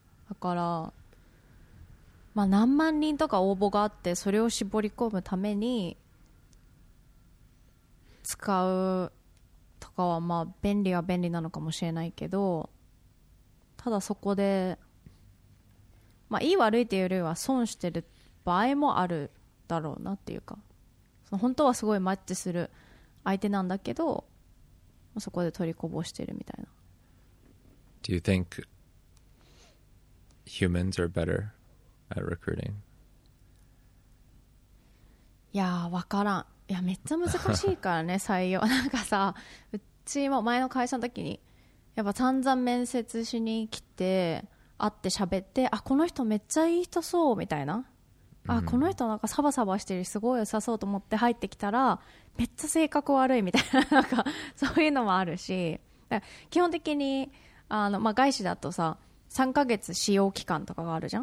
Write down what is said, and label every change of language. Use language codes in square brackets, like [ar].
[ja] だから、まあ、何万人とか応募があって、それを絞り込むために使うとかはまあ便利は便利なのかもしれないけど、ただそこで、まあ、いい悪いっていうよりは損してる場合もあるだろうなっていうか、その本当はすごいマッチする相手なんだけど、そこで取りこぼしてるみたいな。 [en] Do you think humans are better at recruiting? [ja] いやー、わからん。いや、めっちゃ難しいからね採用。なんかさ、うちも前の会社の時にやっぱ散々面接しに来て、会って喋って、あ、この人めっちゃいい人そうみたいな、あ、この人なんかサバサバしてるすごい良さそうと思って入ってきたら、めっちゃ性格悪いみたいな、なんかそういうのもあるし、だから基本的にあの、まあ、外資だとさ3ヶ月試用期間とかがあるじゃん、